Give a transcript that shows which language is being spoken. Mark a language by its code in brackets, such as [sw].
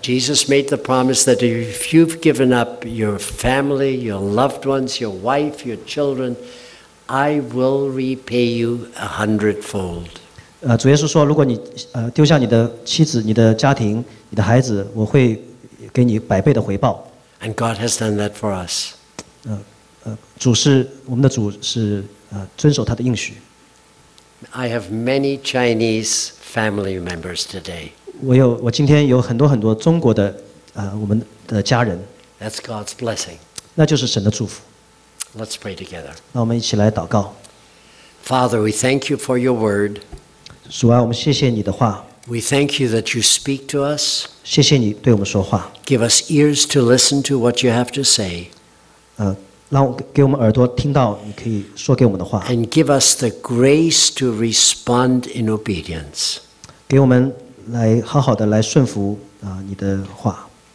[en] Jesus made the promise that if you've given up your family, your loved ones, your wife, your children, I will repay you 100-fold. [zh] 主耶稣说，如果你丢下你的妻子、你的家庭、你的孩子，我会给你百倍的回报。 [en] And God has done that for us. [zh] 主是我们的主是遵守他的应许。 [en] I have many Chinese family members today. [zh] 我今天有很多很多中国的我们的家人。 [en] That's God's blessing. [zh] 那就是神的祝福。 [en] Let's pray together. [zh] 那我们一起来祷告。 [en] Father, we thank you for your word. [zh] 主啊，我们谢谢你的话。 [en] We thank you that you speak to us. [zh] 谢谢你对我们说话。 [en] Give us ears to listen to what you have to say. [zh] 给我们耳朵听到你可以说给我们的话。 [en] And give us the grace to respond in obedience. [zh] 给我们来好好的来顺服你的话。